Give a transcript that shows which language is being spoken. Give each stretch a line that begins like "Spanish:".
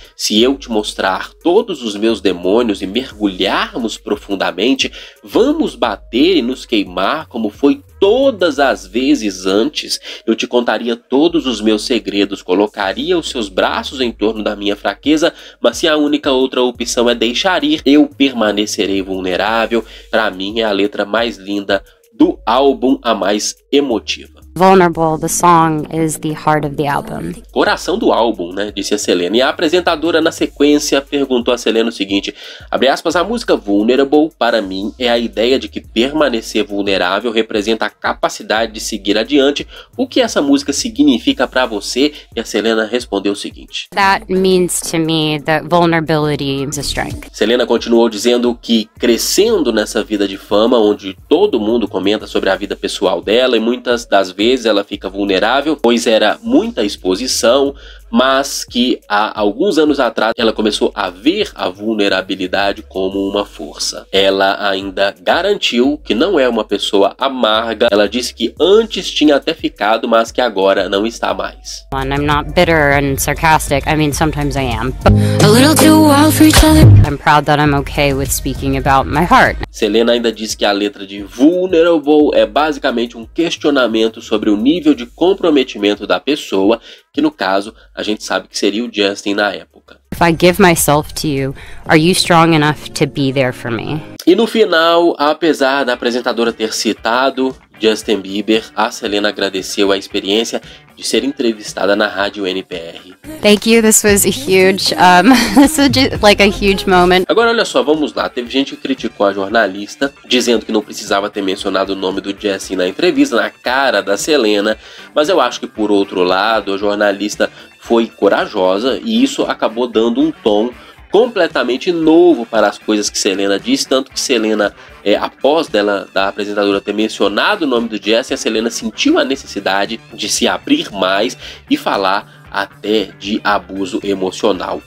Portuguese: Se eu te mostrar todos os meus demônios e mergulharmos profundamente, vamos bater e nos queimar como foi todas as vezes antes. Eu te contaria todos os meus segredos, colocaria os seus braços em torno da minha fraqueza, mas se a única outra opção é deixar ir, eu permanecerei vulnerável. Para mim é a letra mais linda do álbum, a mais emotiva.
English: Vulnerable, the song is the heart of the album.
Portuguese: Coração do álbum, né? Disse a Selena. E a apresentadora, na sequência, perguntou a Selena o seguinte, abre aspas, a música Vulnerable, para mim, é a ideia de que permanecer vulnerável representa a capacidade de seguir adiante. O que essa música significa para você? E a Selena respondeu o seguinte.
English: That means to me that vulnerability is a strength.
Portuguese: Selena continuou dizendo que crescendo nessa vida de fama, onde todo mundo comenta sobre a vida pessoal dela e muitas das vezes ela fica vulnerável, pois era muita exposição, mas que há alguns anos atrás ela começou a ver a vulnerabilidade como uma força. Ela ainda garantiu que não é uma pessoa amarga. Ela disse que antes tinha até ficado, mas que agora não está mais.
English: I'm not bitter and sarcastic. I mean, sometimes I am. A little too wild for each other. I'm proud that I'm okay with speaking about my heart.
Portuguese: Selena ainda disse que a letra de Vulnerable é basicamente um questionamento sobre o nível de comprometimento da pessoa, que no caso a gente sabe que seria o Justin na época.
English: If I give myself to you, are you strong enough to be there for me?
Portuguese: E no final, apesar da apresentadora ter citado Justin Bieber, a Selena agradeceu a experiência de ser entrevistada na rádio NPR.
English: Thank you, this was a huge, like a huge moment.
Portuguese: Agora olha só, vamos lá, teve gente que criticou a jornalista, dizendo que não precisava ter mencionado o nome do Justin na entrevista, na cara da Selena, mas eu acho que por outro lado, a jornalista foi corajosa e isso acabou dando um tom completamente novo para as coisas que Selena diz, tanto que Selena, após dela, da apresentadora, ter mencionado o nome do Jesse, a Selena sentiu a necessidade de se abrir mais e falar até de abuso emocional.